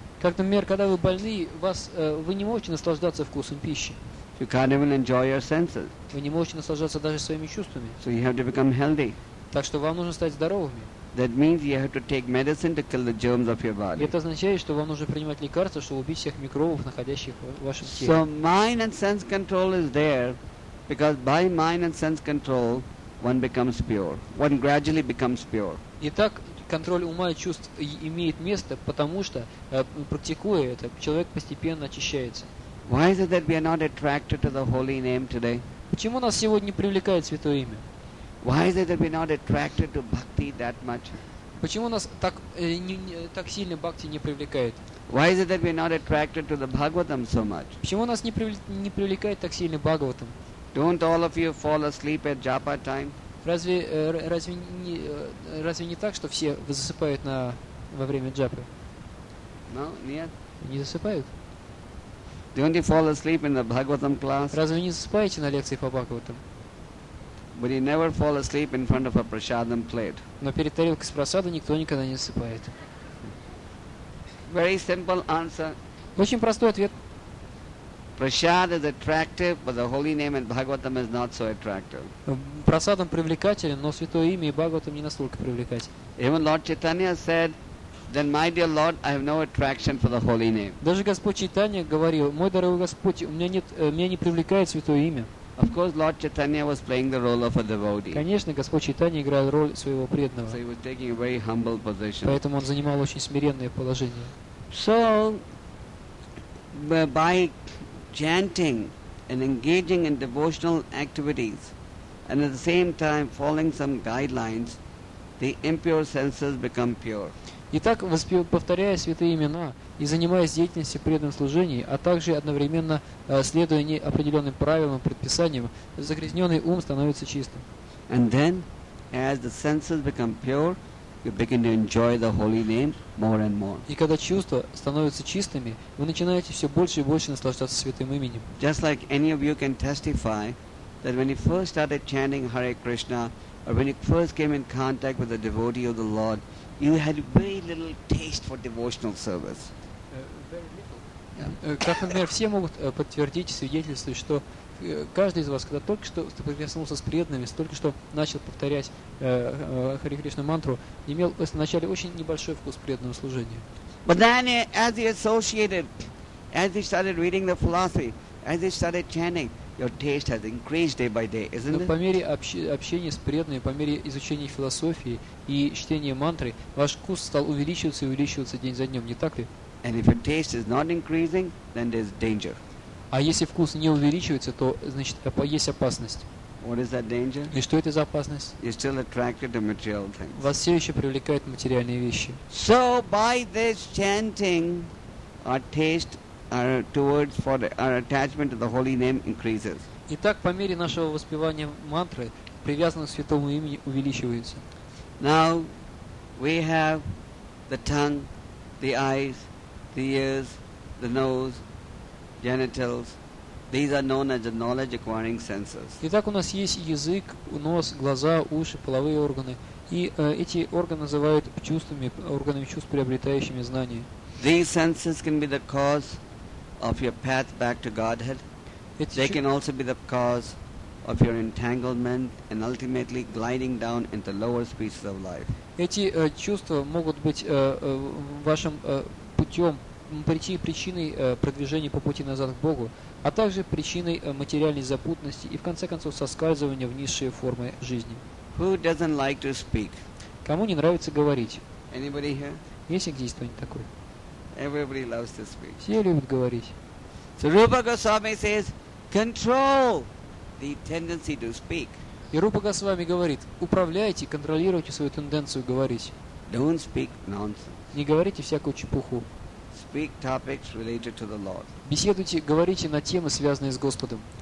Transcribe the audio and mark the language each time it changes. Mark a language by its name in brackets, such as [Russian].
[Russian] Как, например, когда вы больны, вы не можете наслаждаться вкусом пищи. [English] You can't even enjoy your senses. [Russian] Вы не можете наслаждаться даже своими чувствами. [English] So you have to become healthy. [Russian] Так что вам нужно стать здоровыми. [English] That means you have to take medicine to kill the germs of your body. [Russian] Это означает, что вам нужно принимать лекарства, чтобы убить всех микробов, находящих в вашем теле. [English] So mind and sense control is there because by mind and sense control one becomes pure. One gradually becomes pure. [Russian] Итак, контроль ума и чувств имеет место, потому что практикуя это, человек постепенно очищается. [English] Why is it that we are not attracted to the holy name today? [Russian] Почему нас сегодня привлекает святое имя? [English] Why is it that we are not attracted to bhakti that much? [Russian] Почему нас так сильно бхакти не привлекает? [English] Why is it that we are not attracted to the Bhagavatam so much? [Russian] Почему нас не привлекает так сильно Бхагаватам? [English] Don't all of you fall asleep at japa time? [Russian] Разве не так, что все засыпают во время джапы? [English] No, [Russian] нет. Не засыпают? [English] Don't you fall asleep in the Bhagavatam class? [Russian] Разве не засыпаете на лекции по Бхагаватам? [English] But you never fall asleep in front of a prasadam plate. [Russian] Но перед тарелкой с прасадой никто никогда не засыпает. [English] Very simple answer. [Russian] Очень простой ответ. [English] Prasad is attractive, but the holy name in Bhagavatam is not so attractive. [Russian] Прасадам привлекателен, но святое имя и Бхагаватам не настолько привлекательны. [English] Even Lord Chaitanya said, then my dear Lord, I have no attraction for the holy name. [Russian] Даже Господь Чайтанья говорил: мой дорогой Господь, меня не привлекает святое имя. [English] Of course, Lord Chaitanya was playing the role of a devotee. [Russian] Конечно, Господь Чайтанья играл роль своего преданного. [English] So he was taking a very humble position. [Russian] Поэтому он занимал очень смиренное положение. [English] So, by chanting, and engaging in devotional activities and at the same time following some guidelines, the impure senses become pure. [Russian] Итак, повторяя святые имена и занимаясь деятельностью преданного служения, а также одновременно следуя определенным правилам, предписаниям, загрязненный ум становится чистым. [English] And then, as the senses become pure, you begin to enjoy the holy name more and more. [Russian] И когда чувства становятся чистыми, вы начинаете все больше и больше наслаждаться святым именем. [English] Just like any of you can testify that when you first started chanting Hare Krishna, or when you first came in contact with a devotee of the Lord, you had very little taste for devotional service. [Russian] Как, например, все могут подтвердить, свидетельствовать, что каждый из вас, когда только что соприкоснулся с преданными, только что начал повторять Хари Кришна мантру, имел вначале очень небольшой вкус преданного служения. [English] But then, as he associated, as he started reading the philosophy, as he started chanting, your taste has increased day by day, isn't it? [Russian] По мере общения с преданными, по мере изучения философии и чтения мантры, ваш вкус стал увеличиваться и увеличиваться день за днем, не так ли? [English] And if your taste is not increasing, then there's danger. [Russian] А если вкус не увеличивается, то значит есть опасность. [English] What is that danger? [Russian] И что это за опасность? [English] You're still attracted to material things. [Russian] Вас все еще привлекают материальные вещи. [English] So by this chanting, our taste, our towards for the, our attachment to the holy name increases. [Russian] Итак, по мере нашего воспевания мантры, привязанность к святому имени увеличивается. [English] Now we have the tongue, the eyes, the ears, the nose, genitals. These are known as the knowledge acquiring senses. [Russian] Итак, у нас есть язык, нос, глаза, уши, половые органы, и эти органы называют чувствами, органами чувств, приобретающими знания. [English] These senses can be the cause of your path back to Godhead. They can also be the cause of your entanglement and ultimately gliding down into the lower species of life. [Russian] Эти чувства могут быть вашим путем, причиной продвижения по пути назад к Богу, а также причиной материальной запутанности и, в конце концов, соскальзывания в низшие формы жизни. [English] Who doesn't like to speak? [Russian] Кому не нравится говорить? [English] Anybody here? [Russian] Есть ли здесь кто-нибудь такой? [English] Everybody loves to speak. [Russian] Все любят говорить. [English] So Rupa Goswami says, control the tendency to speak. [Russian] И Рупа Госвами говорит, управляйте, контролируйте свою тенденцию говорить. [English] Don't speak nonsense. [Russian] Не говорите всякую чепуху. [English] Speak topics related to the Lord. [Russian] Беседуйте, говорите на темы, связанные с Господом.